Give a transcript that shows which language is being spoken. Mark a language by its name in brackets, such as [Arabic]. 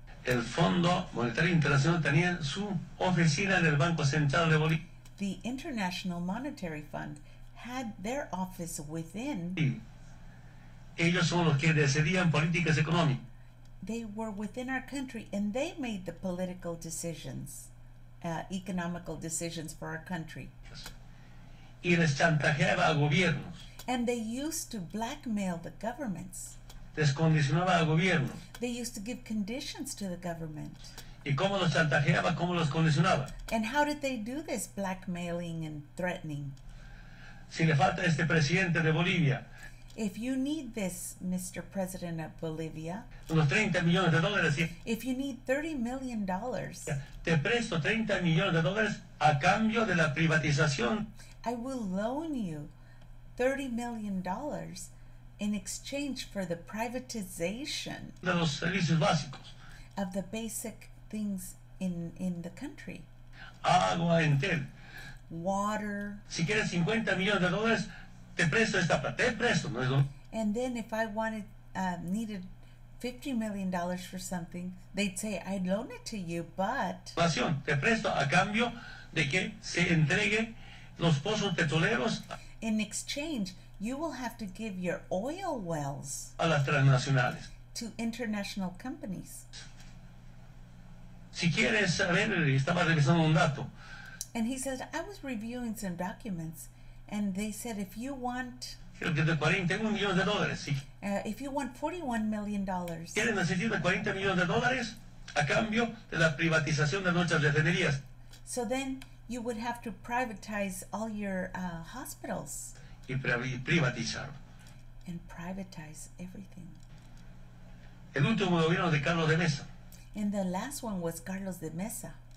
[Spanish] El Fondo Monetario Internacional tenía su oficina en el Banco Central de Bolivia. [English] The International Monetary Fund had their office within. [Spanish] Ellos son los que decidían políticas económicas. [English] They were within our country and they made the political decisions, economical decisions for our country. [Spanish] Y les chantajeaba a gobiernos. [English] And they used to blackmail the governments. [Spanish] Les condicionaba a gobiernos. [English] They used to give conditions to the government. [Spanish] ¿Y cómo los chantajeaba? ¿Cómo los condicionaba? [English] And how did they do this blackmailing and threatening? [Spanish] Si le falta este presidente de Bolivia. [English] If you need this, Mr. President of Bolivia. [Spanish] Unos 30 millones de dólares. [English] If you need $30 million. [Spanish] Te presto 30 millones de dólares a cambio de la privatización. [English] I will loan you $30 million in exchange for the privatization [Spanish] de los servicios básicos. [English] Of the basic things in the country. [Spanish] Agua entera. [English] Water. [Spanish] Si quieres 50 millones de dólares, te presto esta plata. Te presto, ¿no es lo? [English] And then if I needed $50 million for something, they'd say, I'd loan it to you, but. [Spanish] Te presto a cambio de que se entregue los pozos petroleros. [English] In exchange, you will have to give your oil wells [Spanish] a las transnacionales. [English] To international companies. [Spanish] Si quieres saber, estaba revisando un dato. [English] And he said, I was reviewing some documents, and they said, if you want... [Spanish] Creo que de 41 millones de dólares, sí. [English] If you want $41 million. [Spanish] Quieren necesitar de 40 millones de dólares a cambio de la privatización de nuestras refinerías. [English] So then you would have to privatize all your hospitals. [Spanish] Y privatizar. [English] And privatize everything. [Spanish] El último gobierno de Carlos de Mesa. [English] And the last one was Carlos de Mesa.